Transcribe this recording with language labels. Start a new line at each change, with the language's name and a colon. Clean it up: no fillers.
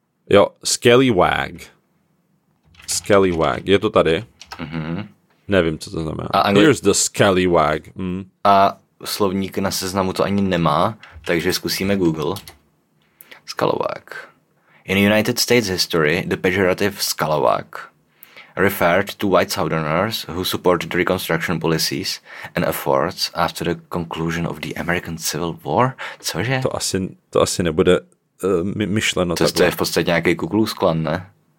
Czech: Jo, scallywag. Scallywag. Je to tady? Mm-hmm. Nevím, co to znamená.
English: Here's the scallywag.
Czech: A... slovník na seznamu to ani nemá, takže zkusíme Google.
English: Scalawag. In United States history, the pejorative scalawag referred to white southerners who supported the reconstruction policies and efforts after the conclusion of the American Civil War.
Czech: Cože? To asi nebude myšleno. To je v podstatě nějaký Ku Klux Klan, ne?